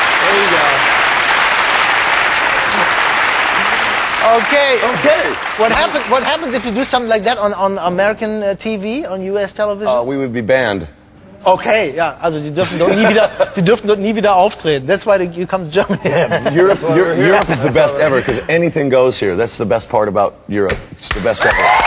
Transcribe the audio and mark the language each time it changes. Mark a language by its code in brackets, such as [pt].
[en] There you go. Okay. Okay. What happens if you do something like that on American TV, on US television? We would be banned. [de] Okay, also sie dürfen dort nie wieder auftreten. [en] That's why you come to Germany. Europe is the best ever, because anything goes here. That's the best part about Europe. It's the best ever.